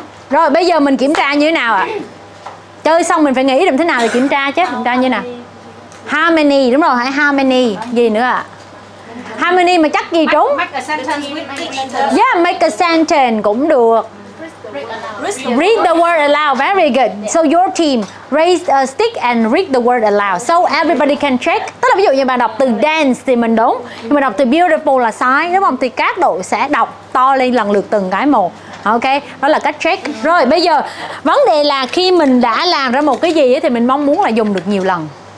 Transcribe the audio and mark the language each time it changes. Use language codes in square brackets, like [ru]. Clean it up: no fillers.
[vi] Rồi, bây giờ mình kiểm tra như thế nào ạ? Chơi xong mình phải nghĩ làm thế nào để kiểm tra chứ. Kiểm tra như nào? [en] How many, [vi] đúng rồi, hay [en] how many, [vi] gì nữa ạ? [en] How many [vi] mà chắc gì trúng? [en] Yeah, make a sentence [vi] cũng được. [en] Read the word aloud, very good. So your team, raise a stick and read the word aloud. So everybody can check. [vi] Tức là ví dụ như bạn đọc từ dance thì mình đúng. Nhưng mà đọc từ beautiful là sai, đúng không? Thì các đội sẽ đọc to lên lần lượt từng cái một. Ok, đó là cách check. Rồi bây giờ, vấn đề là khi mình đã làm ra một cái gì thì mình mong muốn là dùng được nhiều lần.